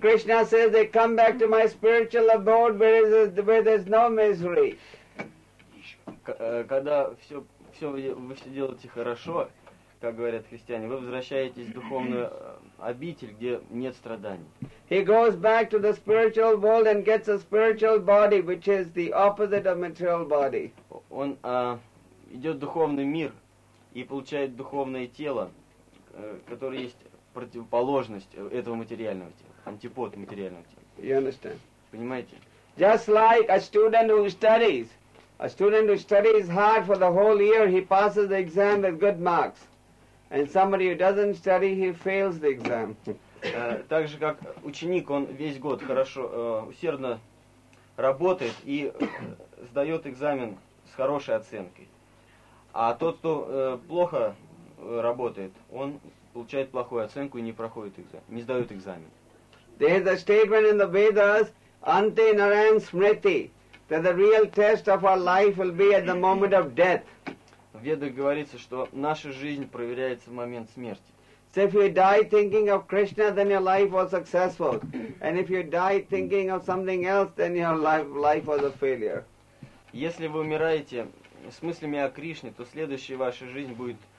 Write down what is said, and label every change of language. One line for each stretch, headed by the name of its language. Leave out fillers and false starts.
English: Those who do everything nicely, Krishna says, they come back to my spiritual abode where there's no misery.
Russian: Когда все делаете хорошо, как говорят христиане, вы возвращаетесь в духовную обитель, где нет страданий.
English: He goes back to the spiritual world and gets a spiritual body, which is the opposite of material body.
Russian: Он идет в духовный мир и получает духовное тело, которое есть противоположность этого материального тела, антипод материального тела.
English: You understand?
Russian: Понимаете?
English: Just like a student who studies hard for the whole year, he passes the exam with good marks. And somebody who doesn't study, he fails the exam.
Russian: Так же, как ученик, он весь год хорошо, усердно работает и сдает экзамен с хорошей оценкой. А тот, кто плохо работает, он получает плохую оценку и не проходит экзамен, не сдает экзамен.
English: There is a statement in the Vedas, Ante Narayan Smriti, that the real test of our life will be at the moment of death.
Russian: В Ведах говорится, что наша жизнь проверяется в момент смерти.
English: So if you die thinking of Krishna, then your life was successful. And if you die thinking of something else, then your life was a failure.
Russian: Если вы умираете с мыслями о Кришне, то следующая ваша жизнь будет...